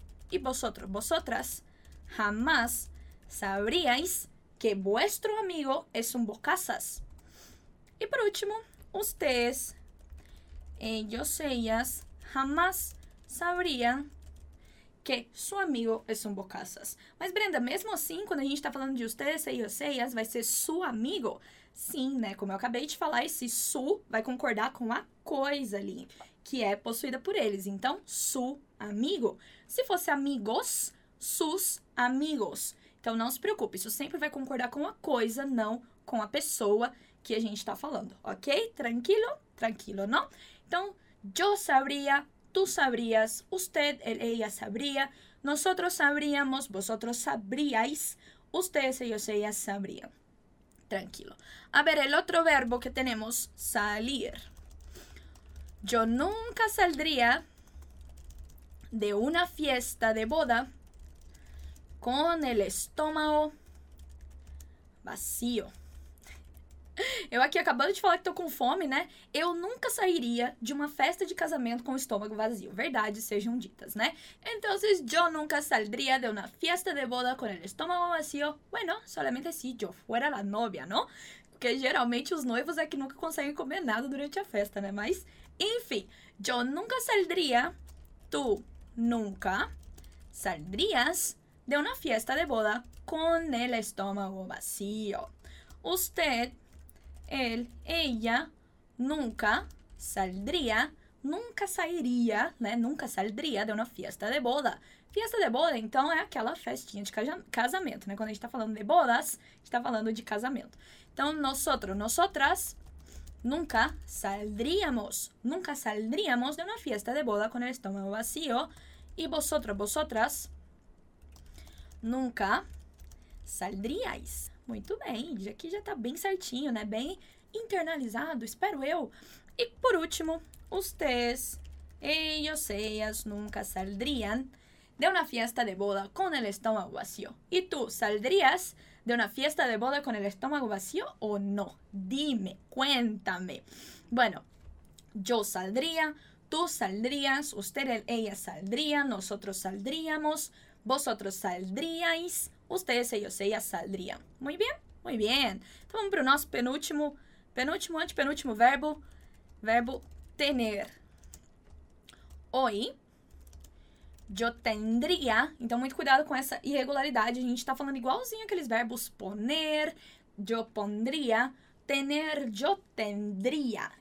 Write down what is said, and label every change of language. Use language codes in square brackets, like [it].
[es] Y vosotras jamás sabríais que vuestro amigo es un bocazas. Y por último, ustedes, ellos, ellas, jamás sabrían que su amigo es un bocazas. [pt] Mas Brenda, mesmo assim, quando a gente está falando de [es] ustedes, ellos, ellas, [pt] vai ser [es] su amigo. [pt] Sim, né? Como eu acabei de falar, esse su vai concordar com a coisa ali, que é possuída por eles. Então, su, amigo. Se fosse amigos, sus, amigos. Então, não se preocupe, isso sempre vai concordar com a coisa, não com a pessoa que a gente está falando, ok? Tranquilo? Tranquilo, não? [es] Então, yo sabría, tú sabrías, usted, ella sabría, nosotros sabríamos, vosotros sabríais, ustedes, ellos, ellas sabrían. Tranquilo. A ver, el otro verbo que tenemos, salir. Yo nunca saldría de una fiesta de boda con el estómago vacío. [pt] Eu aqui acabando de falar que tô com fome, né? Eu nunca sairia de uma festa de casamento com o estômago vazio. Verdade, sejam ditas, né? Então, eu nunca sairia de uma festa de boda com o estômago vazio. [es] Bueno, solamente [pt] se eu [es] fuera la novia, ¿no? [pt] Porque geralmente os noivos é que nunca conseguem comer nada durante a festa, né? Mas, enfim, eu nunca sairia. [es] Tu nunca saldrías de una fiesta de boda con el estómago vacío. Usted, él, ella, nunca saldría, [pt] nunca sairia, né? [es] Nunca saldría de una fiesta de boda. Fiesta de boda, [pt] então, é aquela festinha de casamento, né? Quando a gente tá falando de bodas, a gente tá falando de casamento. [es] Então, nosotros, nosotras, nunca saldríamos de una fiesta de boda con el estómago vacío. Y vosotros, vosotras, nunca saldríais. Muy bien, aquí ya está bien [pt] certinho, né? [es] Bien internalizado, [pt] espero eu. [es] Y por último, ustedes, ellos, ellas, nunca saldrían de una fiesta de boda con el estómago vacío. ¿Y tú saldrías de una fiesta de boda con el estómago vacío o no? Dime, cuéntame. Bueno, yo saldría, tú saldrías, usted, él, ella saldría, nosotros saldríamos, vosotros saldríais, ustedes, ellos, ellas saldrían. Muy bien, muy bien. [pt] Então vamos para o nosso penúltimo, antepenúltimo verbo, tener. [es] Hoy, yo tendría, [pt] então muito cuidado com essa irregularidade, a gente está falando igualzinho aqueles verbos [es] poner, yo pondría, tener, yo tendría.